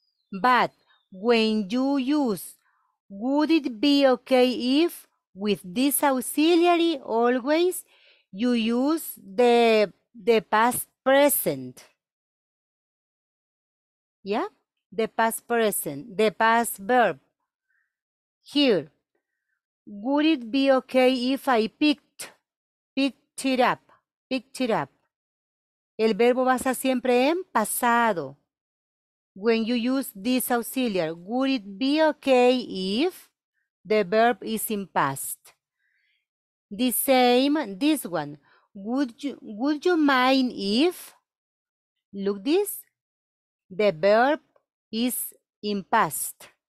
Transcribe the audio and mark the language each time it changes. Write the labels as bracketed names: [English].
[English] But when you use, would it be okay if with this auxiliary always you use the past present? Yeah, the past present, the past verb. Here, would it be okay if I picked it up? [Spanish] El verbo va a estar siempre en pasado. [English] When you use this auxiliary, would it be okay if the verb is in past? The same, this one. Would you mind if, look this, the verb is in past.